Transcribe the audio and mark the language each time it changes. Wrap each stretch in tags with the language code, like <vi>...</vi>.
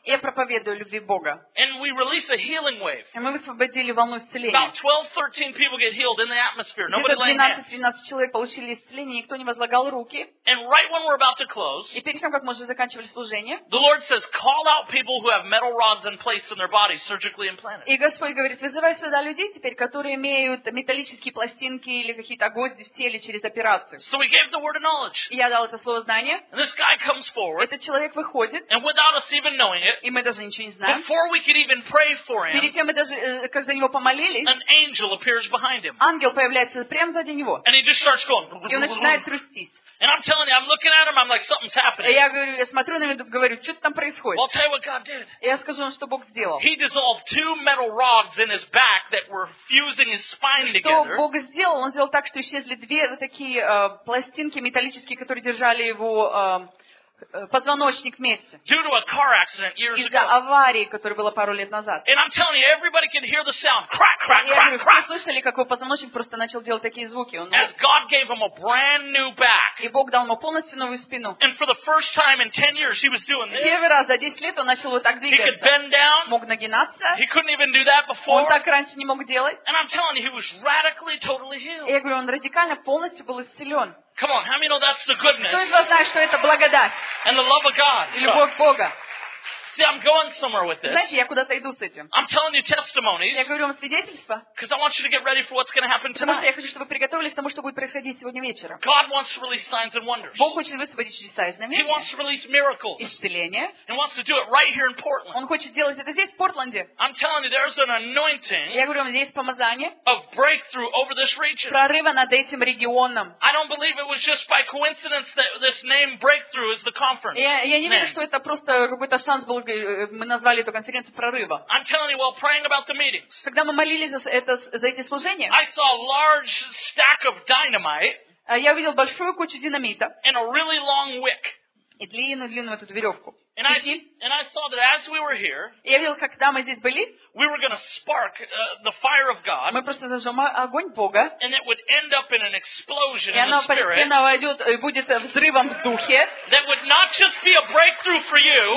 <ru>Я проповедую о любви Бога.</ru> <en>And we release a healing wave.</en> <ru>И мы высвободили волну исцеления.</ru> <en>About 12-13 people get healed in the atmosphere. Nobody laying hands.</en> <ru>12-13 человек получили исцеление, никто не возлагал руки.</ru> <en>And right when we're about to close.</en> <ru>И перед тем, как мы уже заканчивали служение.</ru> <en>The Lord says, call out people who have metal rods in place in their body, surgically implanted.</en> <ru>И Господь говорит, вызывай сюда людей теперь, которые имеют металлические пластинки или какие-то гвозди в теле через операцию.</ru> <en>So we gave the word of knowledge.</en> <ru>И я дал это слово знания.</ru> <en>And this guy comes forward.</en> <ru>Этот человек выходит.</ru> <en>And without us even knowing it,</en> <ru>и мы даже ничего не знаем.</ru> <en>Before we could even pray for him,</en> <ru>перед тем, мы даже, как за него помолились,</ru> <en>an angel appears behind him.</en> <ru>Ангел появляется прямо сзади него.</ru> <en>And he just starts going.</en> <ru>И он начинает трястись.</ru> <en>And I'm telling you, I'm looking at him, I'm like, something's happening.</en> <ru>Я говорю, я смотрю на него, говорю, что-то там происходит.</ru> <en>Well, I'll tell you what God did.</en> <ru>Я скажу вам, что Бог сделал.</ru> <en>He dissolved 2 metal rods in his back that were fusing his spine</en> <ru>что</ru> <en>together.</en> <ru>Что Бог сделал? Он сделал так, что исчезли 2 такие пластинки металлические, которые держали его... позвоночник вместе.</ru> <en>Due to a car accident years ago.</en> <ru>Из-за аварии, которая была пару лет назад.</ru> <en>And I'm telling you, everybody can hear the sound. Crack, crack, crack, crack.</en> <ru>Слышали, как его позвоночник просто начал делать такие звуки?</ru> <en>As God gave him a brand new back.</en> <ru>И Бог дал ему полностью новую спину.</ru> <en>And for the first time in 10 years he was doing this.</en> <ru>Первый раз за 10 лет он начал вот так двигаться.</ru> <en>He could bend down.</en> <ru>Мог нагинаться.</ru> <en>He couldn't even do that before.</en> <ru>Он так раньше не мог делать.</ru> <en>And I'm telling you, he was radically totally healed.</en> <ru>Я говорю, он радикально полностью был исцелен.</ru> <en>Come on, how many know that's the goodness?</en> <ru>Кто из вас знает, что это благодать?</ru> <en>And the love of God.</en> <ru>И любовь Бога.</ru> <en>See, I'm going somewhere with this.</en> <ru>Знаете, я куда-то иду с этим.</ru> <en>I'm telling you testimonies.</en> <ru>Я говорю вам свидетельства.</ru> <en>Because I want you to get ready for what's going to happen tonight.</en> <ru>Потому что я хочу, чтобы вы приготовились к тому, что будет происходить сегодня вечером.</ru> <en>God wants to release signs and wonders.</en> <ru>Бог хочет выставить чудеса и знамения.</ru> <en>He wants to release miracles.</en> <ru>Исцеление.</ru> <en>He wants to do it right here in Portland.</en> <ru>Он хочет сделать это здесь, в Портленде.</ru> <en>I'm telling you, there's an anointing.</en> <ru>Я говорю вам, здесь помазание.</ru> <en>Of breakthrough over this region.</en> <ru>Прорыва над этим регионом.</ru> <en>I don't believe it was just by coincidence that this name breakthrough is the conference.</en> <ru>Я не верю, что это просто какой-то шанс. Мы назвали эту конференцию «Прорыва».</ru> <en>I'm telling you, while praying about the meetings,</en> <ru>когда мы молились за эти служения,</ru> <en>I saw a large stack of dynamite,</en> <ru>я увидел большую кучу динамита</ru> <en>and a really long wick.</en> <ru>И длинную эту веревку.</ru> <en>And I saw that as we were here,</en> <ru>я видел, когда мы здесь были,</ru> <en>we were going to spark the fire of God,</en> <ru>мы просто зажжем огонь Бога,</ru> <en>and it would end up in an explosion in the spirit.</en> <ru>И оно войдет и будет взрывом в духе.</ru> <en>That would not just be a breakthrough for you,</en>